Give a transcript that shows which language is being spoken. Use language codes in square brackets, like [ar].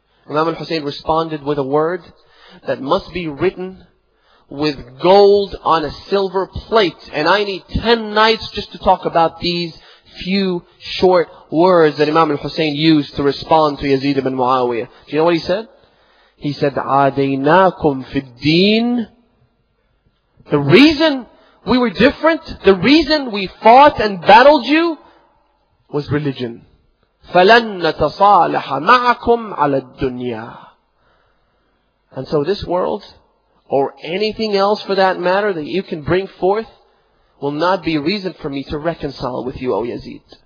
[en] Imam al-Hussein responded with a word that must be written with gold on a silver plate, and I need 10 nights just to talk about these few short words that Imam al-Hussein used to respond to Yazid ibn Muawiyah. Do you know what he said? He said, [ar] عَادَيْنَاكُمْ فِي الدِّينِ. [en] The reason we were different, the reason we fought and battled you, was religion. [ar] فَلَن نَتَصَالَحَ مَعَكُمْ عَلَى الدُّنْيَا. [en] And so this world, or anything else for that matter that you can bring forth, will not be reason for me to reconcile with you, O Yazid.